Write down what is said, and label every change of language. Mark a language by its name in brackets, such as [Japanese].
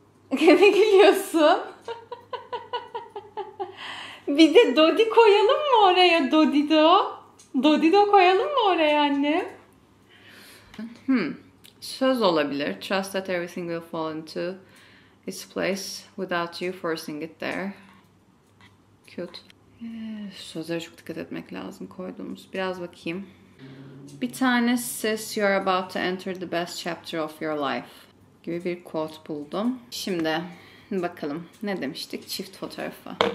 [Turkish] Ne gülüyorsun? Bir de Dodi koyalım mı oraya, Dodido? Dodido koyalım mı oraya annem? Söz olabilir. [English] Trust that everything will fall into its place without you forcing it there. Cute. [Turkish] Sözlere çok dikkat etmek lazım koyduğumuz. Biraz bakayım. Bir tane sis, [English] you are about to enter the best chapter of your life [Turkish] gibi bir quote buldum. Şimdi bakalım ne demiştik çift fotoğrafı.